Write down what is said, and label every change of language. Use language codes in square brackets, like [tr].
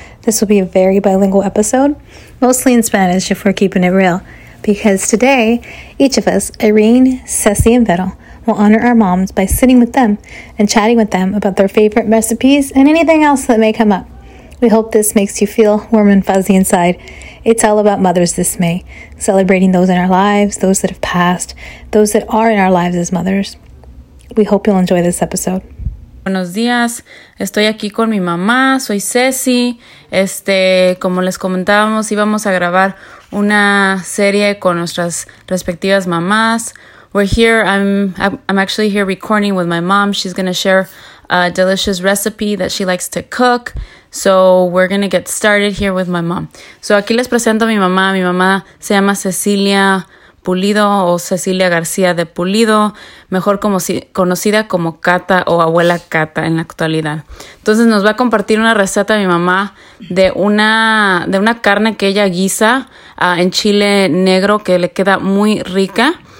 [en] This will be a very bilingual episode, mostly in Spanish if we're keeping it real, because today, each of us, Irene, Ceci, and Vero, will honor our moms by sitting with them and chatting with them about their favorite recipes and anything else that may come up. We hope this makes you feel warm and fuzzy inside. It's all about mothers this May, celebrating those in our lives, those that have passed, those that are in our lives as mothers. We hope you'll enjoy this episode. [es] Buenos días, estoy aquí con mi mamá, soy Ceci. Como les comentábamos, íbamos a grabar una serie con nuestras respectivas mamás. [en] We're here, I'm actually here recording with my mom. She's going to share a delicious recipe that she likes to cook. So we're going to get started here with my mom. [es] So aquí les presento a mi mamá. Mi mamá se llama Cecilia Pulido o Cecilia García de Pulido, mejor conocida como Cata o Abuela Cata en la actualidad. Entonces nos va a compartir una receta mi mamá de una carne que ella guisa en chile negro que le queda muy rica.